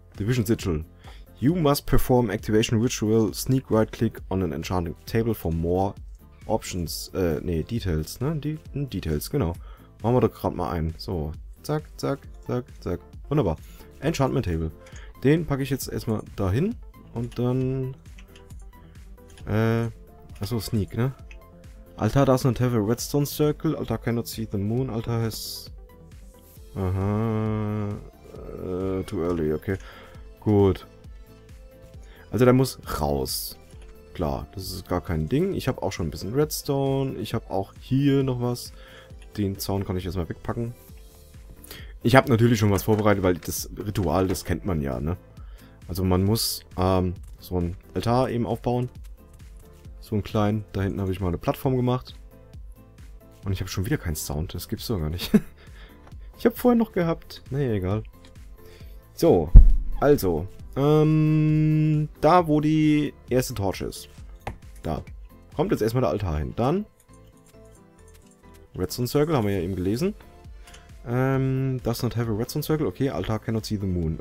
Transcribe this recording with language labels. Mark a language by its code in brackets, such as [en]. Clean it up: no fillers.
[en] Division Sigil. You must perform Activation Ritual, sneak right click on an enchanting table for more options. [de] Details, ne? Details, genau. Machen wir doch gerade mal ein. So, zack, zack, zack, zack. Wunderbar. Enchantment Table. Den packe ich jetzt erstmal dahin und dann... Achso, Sneak, ne? [en] Altar doesn't have a redstone circle. Altar cannot see the moon. Altar has... Aha. Too early, okay. [de] Gut. Also der muss raus. Klar, das ist gar kein Ding. Ich habe auch schon ein bisschen Redstone. Ich habe auch hier noch was. Den Zaun kann ich erstmal wegpacken. Ich habe natürlich schon was vorbereitet, weil das Ritual, das kennt man ja, ne? Also man muss so ein Altar eben aufbauen. So einen kleinen. Da hinten habe ich mal eine Plattform gemacht. Und ich habe schon wieder keinen Sound. Das gibt's doch gar nicht. Ich habe vorher noch gehabt. Naja, egal. So, also. Da, wo die erste Torch ist. Da. Kommt jetzt erstmal der Altar hin. Dann. Redstone Circle, haben wir ja eben gelesen. [en] Does not have a Redstone Circle. Okay, Altar cannot see the moon.